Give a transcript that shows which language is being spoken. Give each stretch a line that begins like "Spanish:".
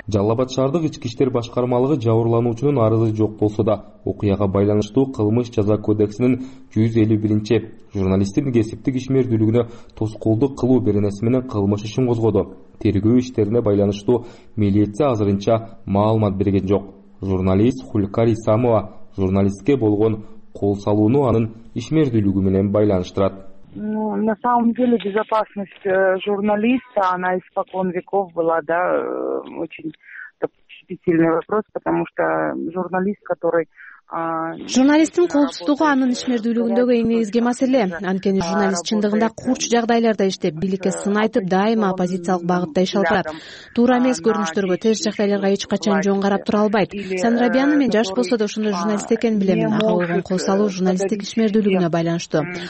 Kyrgyz: Жалал Абад шаардык ички иштер башкармалыгы жабырлануучунун арызы жок болсо да, окуяга байланыштуу кылмыш жаза кодексинин 151 журналисттин кесиптик ишмердүүлүгүнө тоскоолдук кылуу беренеси менен кылмыш ишин козгоду. Тергөө иштерине байланыштуу милиция азырынча маалымат берген жок. Журналист Хулькар Исамова журналистке болгон кол салууну анын ишмердүүлүгү менен байланыштырат.
Russian: Ну, на самом деле безопасность журналиста, она испокон веков была, да, очень чувствительный вопрос, потому что журналист, который
Kyrgyz: журналисттин коопсуздугу анын ишмердүүлүгүндөгү эң негизги маселе. Анткени журналист чындыгында курч жагдайларда иштеп, бийликке сын айтып, дайыма оппозициялык багытта иш алып барат. Туура эмес көрүнүштөргө, терс жагдайларга эч качан жөн карап тура албайт. Санрабияны мен жаш болсо да ошондой журналист экенин билем. Ага болгон кол салуу журналисттик ишмердүүлүгүнө байланыштуу.